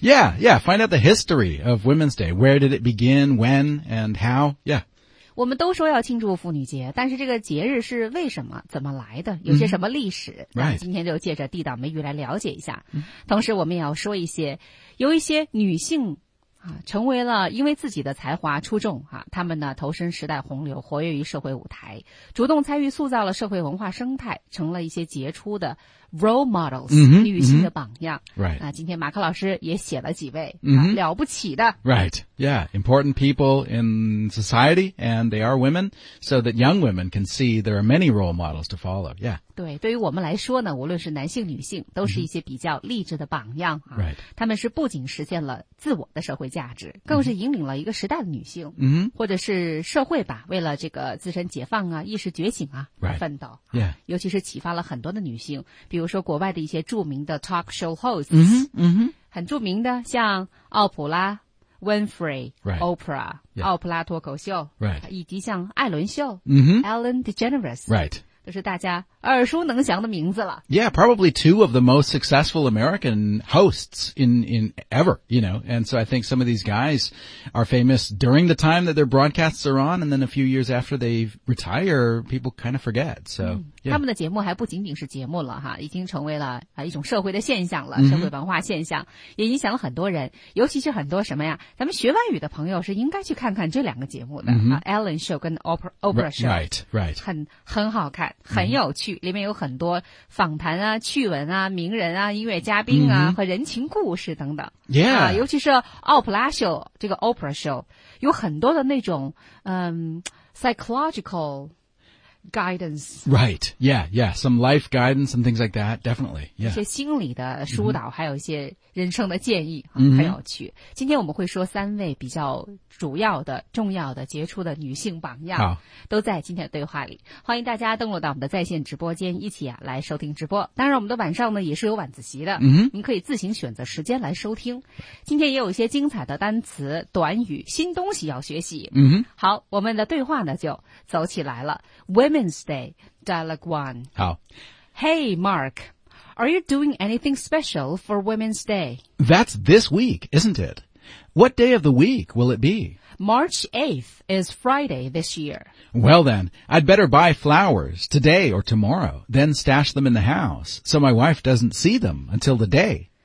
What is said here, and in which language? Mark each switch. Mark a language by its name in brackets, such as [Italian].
[English] yeah yeah find out the history of Women's Day where did it begin when and how yeah [Chinese] 我们都说要庆祝妇女节但是这个节日是为什么怎么来的有些什么历史、 [English] mm-hmm. right. [Chinese] 今天就借着地道美语来了解一下、 mm-hmm. 同时我们也要说一些有一些女性成为了因为自己的才华出众啊，他们呢投身时代洪流，活跃于社会舞台，主动参与塑造了社会文化生态，成了一些杰出的 [English] role models、 mm-hmm, [Chinese] 女性的榜样。 [English] Right. [Chinese] 那今天马克老师也写了几位、 mm-hmm. 啊、了不起的。 [English] Right. Yeah. Important people in society, and they are women, so that young women can see there are many role models to follow. Yeah. [Chinese] 对，对于我们来说呢，无论是男性、女性，都是一些比较励志的榜样、啊、 [English] Right. [Chinese] 他们是不仅实现了自我的社会。价值更是引领了一个时代的女性、 mm-hmm. 或者是社会吧为了这个自身解放啊意识觉醒啊、 [English] right. [Chinese] 奋斗、 [English] yeah. [Chinese] 尤其是启发了很多的女性比如说国外的一些著名的 [English] talk show hosts、 mm-hmm. Mm-hmm. [Chinese] 很著名的像奥普拉 Winfrey、 [English] right. Oprah、 yeah. [Chinese] 奥普拉脱口秀、 [English] right. [Chinese] 以及像艾伦秀、 mm-hmm. [English] Ellen DeGeneres、 right. [Chinese] 就是大家耳熟能详的名字了。 [English] Yeah, probably two of the most successful American hosts in ever, you know. And so I think some of these guys are famous during the time that their broadcasts are on, and then a few years after they retire, people kind of forget. So,、嗯 yeah. [Chinese] 他们的节目还不仅仅是节目了哈，已经成为了一种社会的现象了，社会文化现象、 mm-hmm. 也影响了很多人，尤其是很多什么呀，咱们学外语的朋友是应该去看看这两个节目的、 mm-hmm. 啊 ，Ellen Show 跟 Oprah Show， [English] right, right， [Chinese] 很好看。很有趣、mm-hmm. 里面有很多访谈啊趣闻啊名人啊音乐嘉宾啊、 mm-hmm. 和人情故事等等 [English] yeah、 [Chinese] 啊、尤其是奥普拉秀这个 Oprah Show 有很多的那种 [English] psychological guidance right yeah yeah some life guidance and things like that definitely、yeah. [Chinese] 一些心理的疏导、 mm-hmm. 还有一些人生的建议、啊 mm-hmm. 很有趣今天我们会说三位比较主要的、重要的、杰出的女性榜样，好，都在今天的对话里。欢迎大家登录到我们的在线直播间，一起啊来收听直播。当然，我们的晚上呢也是有晚自习的，嗯，您可以自行选择时间来收听。今天也有一些精彩的单词、短语、新东西要学习。嗯，好，我们的对话呢就走起来了。 [English] Women's Day Dialogue One。 [Chinese] 好 [English] ，Hey Mark, are you doing anything special for Women's Day? That's this week, isn't it? What day of the week will it be? March 8th is Friday this year. Well then, I'd better buy flowers today or tomorrow, then stash them in the house so my wife doesn't see them until the day.